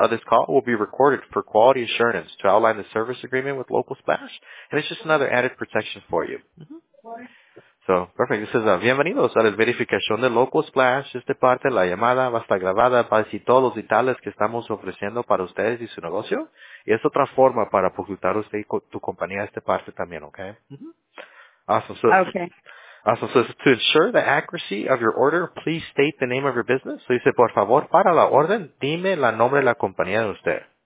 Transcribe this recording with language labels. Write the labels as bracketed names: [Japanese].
[English] This call will be recorded for quality assurance to outline the service agreement with Local Splash, and it's just another added protection for you. [Spanish] Mm-hmm. [English] So perfect. This is [Spanish] bienvenidos a la verificación de Local Splash. Esta parte de la llamada va a estar grabada para decir todos los detalles que estamos ofreciendo para ustedes y su negocio. Y es otra forma para publicitar usted y tu compañía esta parte también, ¿ok? Mm-hmm. [English] Awesome. So, to ensure the accuracy of your order, please state the name of your business. [Spanish] So, dice, por favor, para la orden, dime la nombre de la compañía de usted.